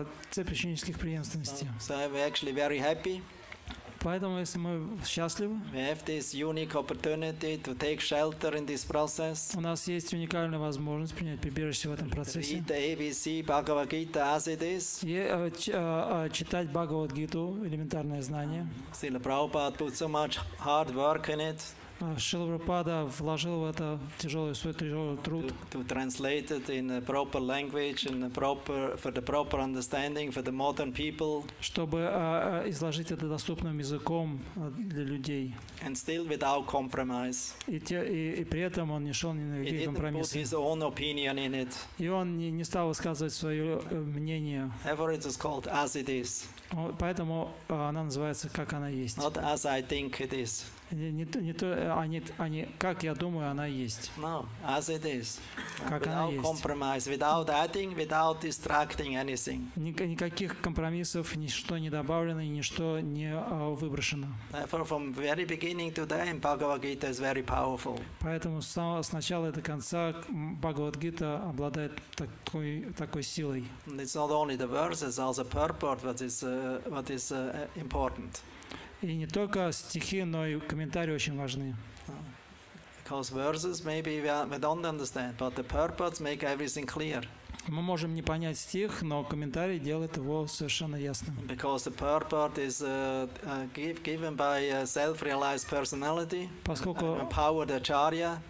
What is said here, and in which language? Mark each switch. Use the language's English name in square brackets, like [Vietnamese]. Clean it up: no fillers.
[Russian] Цепь ученических преемственностей. [English] So we actually very happy. [Russian] Поэтому, если мы счастливы, [English] we have this unique opportunity to take shelter in this process. [Russian] У нас есть уникальная возможность принять прибежище в этом процессе. [English] Read the ABC Bhagavad Gita as it is. [Russian] Читать Бхагавад Гиту, элементарное знание. [English] Srila Prabhupada put so much hard work in it. [Russian] Шрила Прабхупада вложил в это тяжелый свой тяжелый труд. [English] To translate it in a proper language and for the proper understanding for the modern people. [Russian] Чтобы изложить это доступным языком для людей. [English] And still without compromise. [Russian] И при этом он не шел ни на какие компромиссы. [English] He didn't put his own opinion in it. [Russian] И он не стал высказывать свое мнение. [English] Ever it is called as it is. [Russian] Поэтому она называется как она есть. [English] Not as I think it is. [Russian] Не то, как я думаю, она есть. [English] No, as it is. [Russian] Как [English] without [Russian] она есть. [English] Compromise, without adding, without distracting anything. [Russian] Никаких компромиссов, ничто не добавлено, ничто не выброшено. [English] Therefore, from very beginning to the end, Bhagavad Gita is very powerful. [Russian] Поэтому с начала до конца Бхагавад Гита обладает такой силой. [English] And it's not only the verses, also purport what is important. [Russian] И не только стихи, но и комментарии очень важны. [English] Because verses maybe we don't understand, but the purports make everything clear. [Russian] Мы можем не понять стих, но комментарий делает его совершенно ясным. [English] Because the purport is given by a self-realized personality, empowered acharya.